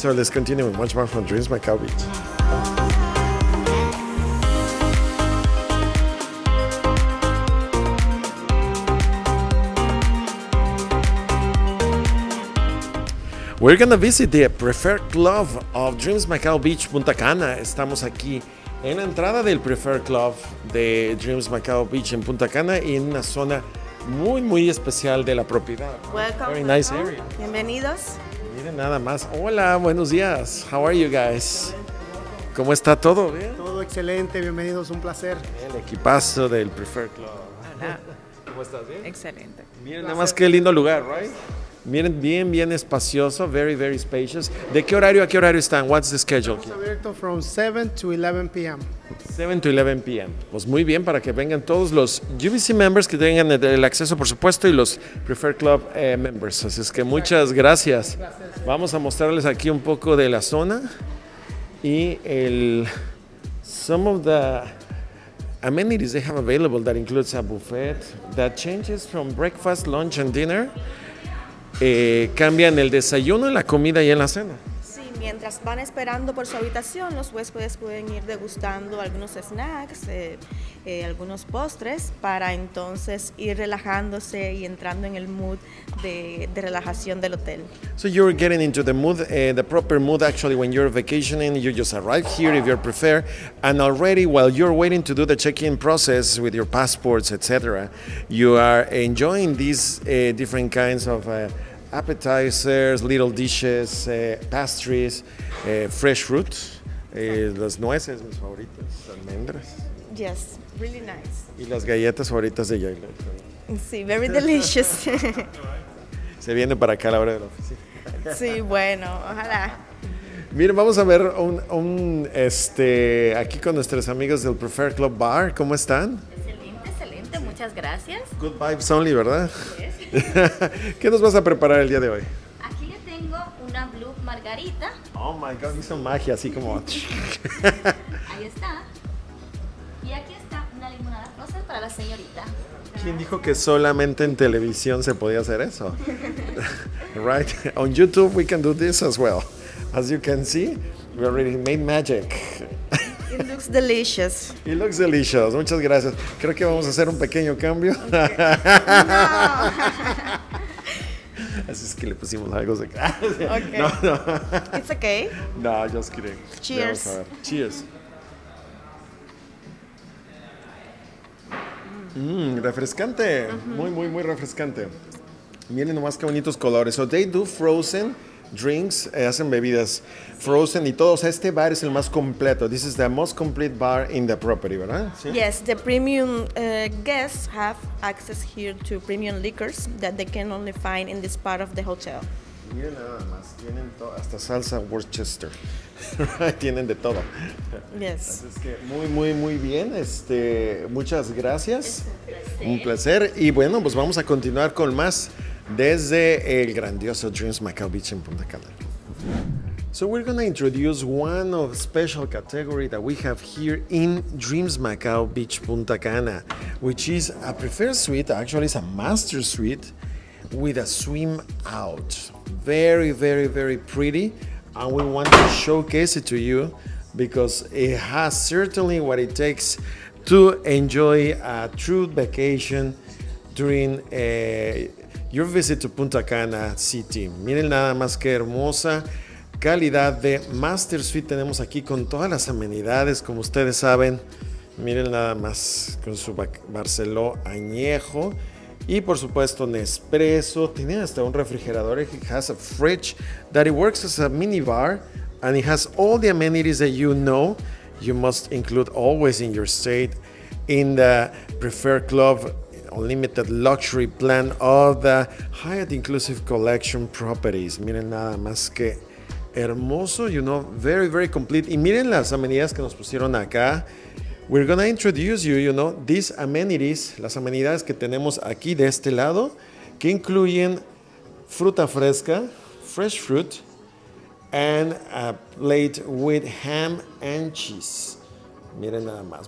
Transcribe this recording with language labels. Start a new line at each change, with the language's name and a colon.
English: So let's continue with much more from Dreams Macao Beach. We're going to visit the Preferred Club of Dreams Macao Beach, Punta Cana.
Spanish: Estamos aquí en la entrada del Preferred Club de Dreams Macao Beach en Punta Cana, en una zona muy, muy especial de la propiedad.
English: Welcome. Very nice area.
Spanish: Bienvenidos. Miren nada más. Hola, buenos días.
English: How are you guys?
Spanish: ¿Cómo está todo? Todo excelente. Bienvenidos. Un placer. El equipazo del Preferred Club. ¿Cómo estás? ¿Bien? Excelente. Miren nada más qué lindo lugar, right? Miren, bien, bien espacioso,
English: very, very spacious.
Spanish: ¿De qué horario a qué horario están?
English: What's the schedule?
Spanish: Estamos abiertos
English: from 7 to 11 p.m. 7 to 11 p.m.
Spanish: Pues muy bien, para que vengan todos los UBC members que tengan el acceso, por supuesto, y los Preferred Club members. Así es que muchas gracias. Vamos a mostrarles aquí un poco de la zona y el...
English: some of the amenities they have available that includes a buffet that changes from breakfast, lunch and dinner.
Spanish: Cambian el desayuno, la comida y en la cena. Sí, mientras van esperando por su habitación, los huéspedes pueden ir degustando algunos snacks, algunos postres, para entonces ir relajándose y entrando en el mood de relajación del hotel.
English: So you're getting into the mood, the proper mood actually when you're vacationing. You just arrive here if you prefer, and already while you're waiting to do the check-in process with your passports, etc., you are enjoying these different kinds of appetizers, little dishes, pastries, fresh fruit,
Spanish: las nueces, mis favoritas, almendras.
English: Yes, really nice.
Spanish: Y las galletas favoritas de Yael.
English: Sí, very delicious.
Spanish: Se viene para acá a la hora de la oficina. Sí, bueno, ojalá. Miren, vamos a ver un aquí con nuestros amigos del Preferred Club Bar. ¿Cómo están? Excelente, excelente, muchas gracias.
English: Good vibes only, ¿verdad? Yes.
Spanish: ¿Qué nos vas a preparar el día de hoy? Aquí le tengo una blue margarita. Oh my God, hizo magia, así como... Ahí está. Y aquí está una limonada rosa para la señorita. ¿Quién dijo que solamente en televisión se podía hacer eso?
English: Right? On YouTube we can do this as well. As you can see, we already made magic. It looks delicious. It looks delicious.
Spanish: Muchas gracias. Creo que vamos a hacer un pequeño cambio.
English: Okay. No.
Spanish: Así es que le pusimos algo de
English: cara. Okay. No, no. It's okay. No, just kidding. Cheers. Cheers.
Spanish: Mmm, refrescante. Uh-huh. Muy, muy, muy refrescante. Miren nomás qué bonitos colores.
English: So they do frozen drinks,
Spanish: hacen bebidas sí. Frozen y todo. O sea, este bar es el más completo.
English: This is the most complete bar in the property, ¿verdad?
Spanish: ¿Sí?
English: Yes, the premium guests have access here to premium liquors that they can only find in this part of the hotel.
Spanish: Miren nada más, tienen hasta salsa Worcester. Tienen de todo.
English: Yes.
Spanish: Así es que muy, muy, muy bien. Muchas gracias. Es un placer. Un placer. Y bueno, pues vamos a continuar con más desde el grandioso Dreams Macau Beach en Punta Cana.
English: So we're going to introduce one of special category that we have here in Dreams Macau Beach Punta Cana, which is a preferred suite, actually it's a master suite with a swim out. Very, very, very pretty. And we want to showcase it to you because it has certainly what it takes to enjoy a true vacation during your visit to Punta Cana City.
Spanish: Miren nada más que hermosa calidad de master suite tenemos aquí con todas las amenidades, como ustedes saben. Miren nada más con su Barceló añejo. Y por supuesto Nespresso, tiene hasta un refrigerador,
English: it has a fridge that it works as a mini bar and it has all the amenities that you know you must include always in your stay in the Preferred Club Unlimited Luxury Plan of the Hyatt Inclusive Collection Properties.
Spanish: Miren nada más que hermoso,
English: you know, very, very complete.
Spanish: Y miren las amenidades que nos pusieron acá.
English: We're going to introduce you, you know, these amenities,
Spanish: las amenidades que tenemos aquí de este lado, que incluyen fruta fresca,
English: fresh fruit, and a plate with ham and cheese.
Spanish: Miren nada más.